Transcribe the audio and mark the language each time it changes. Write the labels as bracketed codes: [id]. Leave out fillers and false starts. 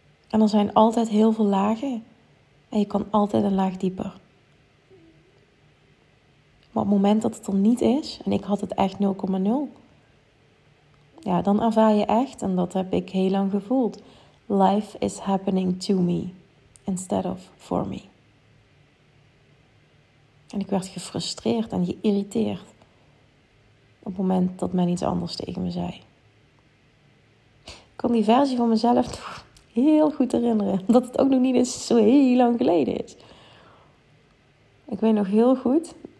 [nl] En er zijn altijd heel veel lagen. En je kan altijd een laag dieper. Maar op het moment dat het er niet is, en ik had het echt 0,0. Ja, dan ervaar je echt, en dat heb ik heel lang gevoeld. [en] Life is happening to me, instead of for me. [nl] En ik werd gefrustreerd en geïrriteerd. Op het moment dat men iets anders tegen me zei. Ik kon die versie van mezelf toch heel goed herinneren. Omdat het ook nog niet eens zo heel lang geleden is. Ik weet nog heel goed.